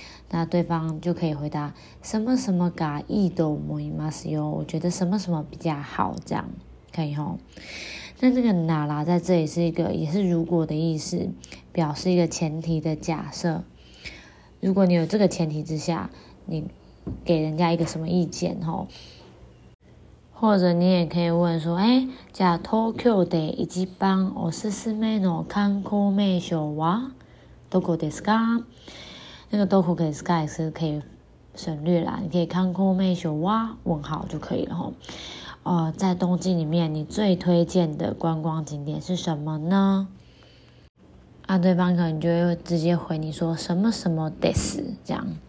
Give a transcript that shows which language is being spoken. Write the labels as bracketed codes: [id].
[zh] 那对方就可以回答什么什么 [ja] がいいと思いますよ， [zh] 我觉得什么什么比较好，这样可以吼。那这个なら在这里是一个也是如果的意思，表示一个前提的假设。如果你有这个前提之下，你给人家一个什么意见吼，或者你也可以问说， [ja] 哎，じゃあ東京で一番おすすめの観光名所はどこですか？ [zh] 那个どこですか也是可以省略啦，你可以観光名所は问号就可以了哈。在东京里面，你最推荐的观光景点是什么呢？啊，对方可能就会直接回你说什么什么です这样。